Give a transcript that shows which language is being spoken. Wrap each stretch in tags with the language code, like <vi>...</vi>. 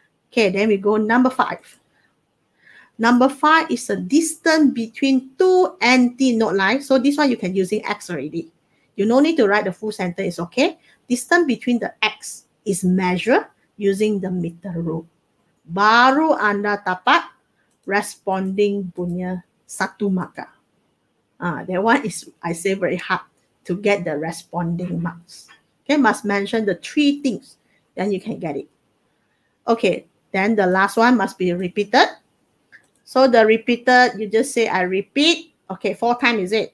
<en>Okay, then we go number 5. Number 5 is a distance between two anti-node lines. So this one you can using X already. You no need to write the full sentence, it's okay. Distance between the X is measured using the meter rule.</en> <ms>Baru anda dapat responding punya satu markah.</ms> <en>That one is, I say, very hard to get the responding marks. Okay, must mention the 3 things, then you can get it. Okay, then the last one must be repeated. So the repeated, you just say, I repeat. Okay, 4 times is it?</en>